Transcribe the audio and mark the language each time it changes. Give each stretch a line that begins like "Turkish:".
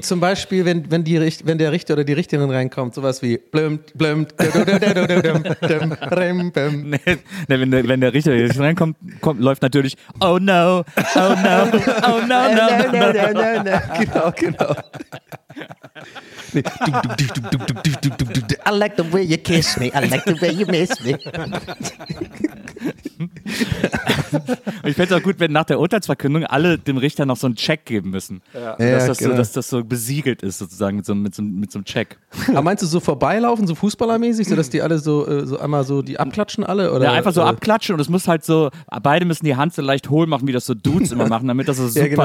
German: Zum Beispiel, wenn der Richter oder die Richterin reinkommt, sowas wie blümt, wenn der Richter reinkommt, läuft natürlich
English: oh no, oh no, oh no, no, no, no, no, no, no.
German: Genau, genau.
English: I like the way you kiss me, I like the way you miss me.
German: Ich fände es auch gut, wenn nach der Urteilsverkündung alle dem Richter noch so einen Check geben müssen. Ja. Dass, ja, das genau. So, dass das so besiegelt ist, sozusagen mit so einem Check. Aber meinst du so vorbeilaufen, so fußballermäßig, sodass die alle so einmal so die abklatschen alle? Oder? Ja, einfach so abklatschen und es muss halt so, beide müssen die Hand so leicht hohl machen, wie das so Dudes immer machen, damit das so super ja, genau.